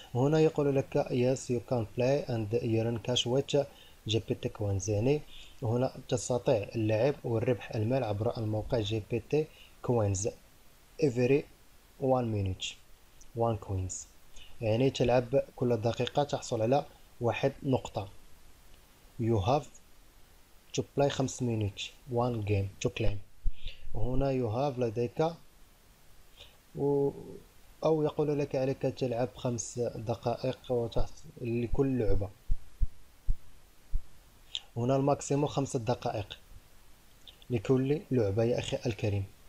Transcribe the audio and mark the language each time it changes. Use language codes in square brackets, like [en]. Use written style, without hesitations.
[ar] هنا يقول لك [en] yes you can play and you earn cash with GPT coins، [ar] يعني هنا تستطيع اللعب والربح المال عبر الموقع [en] GPT coins every 1 minute 1 coins، [ar] يعني تلعب كل دقيقة تحصل على 1 نقطة. [en] You have to play 5 minutes 1 game to claim. [ar] هنا [en] you have [ar] لديك أو يقول لك عليك تلعب 5 دقائق وتحصل لكل لعبة. هنا الماكسيمو 5 دقائق لكل لعبة يا أخي الكريم.